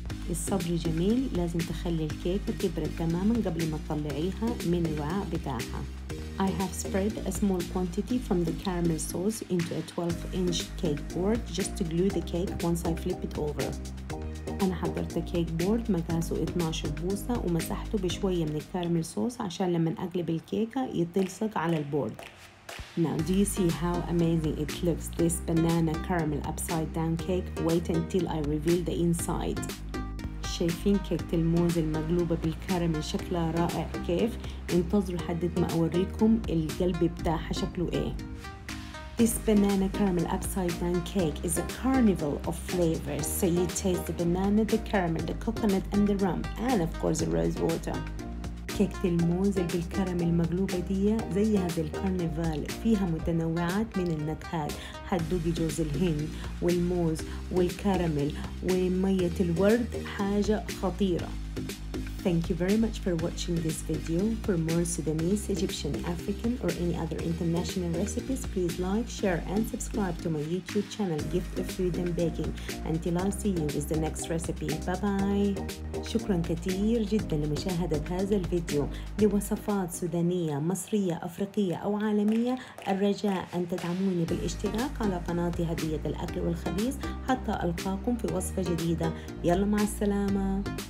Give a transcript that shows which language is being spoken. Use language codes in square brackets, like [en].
[ar] الصبر جميل، لازم تخلي الكيكة تبرد تماما قبل ما تطلعيها من الوعاء بتاعها. [en] I have spread a small quantity from the caramel sauce into a 12-inch cake board just to glue the cake once I flip it over. [ar] أنا حضرت كيك بورد مقاسه 12 بوصة ومسحته بشوية من الكارميل صوص عشان لما أقلب الكيكة يتلصق على البورد. [en] Now, do you see how amazing it looks, this banana caramel upside down cake? Wait until I reveal the inside. [ar] شايفين كيكة الموز المقلوبة بالكراميل شكلها رائع كيف؟ انتظروا حد ما أوريكم القلب بتاعها شكله إيه. [en] This banana caramel upside down cake is a carnival of flavors. So you taste the banana, the caramel, the coconut and the rum, and of course the rose water. [ar] كيكة الموز بالكراميل المقلوبة دي زي هذا الكارنيفال، فيها متنوعات من النكهات، هتدوقي جوز الهند والموز والكراميل ومية الورد، حاجة خطيرة. [en] Thank you very much for watching this video. For more Sudanese, Egyptian, African or any other international recipes, please like, share and subscribe to my YouTube channel Gift of Food and Baking. Until I see you with the next recipe. Bye bye. [ar] شكرا كثير جدا لمشاهدة هذا الفيديو. لوصفات سودانية مصرية أفريقية أو عالمية، الرجاء أن تدعموني بالاشتراك على قناتي هدية الأكل والخبيز حتى ألقاكم في وصفة جديدة. يلا مع السلامة.